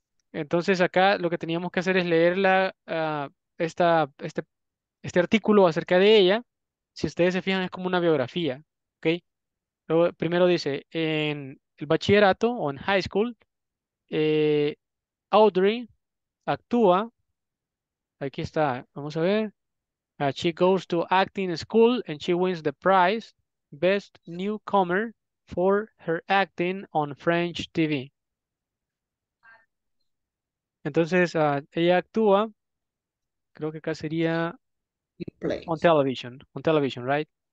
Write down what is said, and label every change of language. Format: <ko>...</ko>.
<es>Entonces acá lo que teníamos que hacer es leer este artículo acerca de ella. Si ustedes se fijan, es como una biografía, ¿ok? Luego, primero dice, en el bachillerato o en high school, Audrey actúa, aquí está, vamos a ver,</es> <en>She goes to acting school and she wins the prize Best Newcomer for her acting on French TV.</en> <es>Entonces, ella actúa, creo que acá sería</es> <en>on television, right?</en>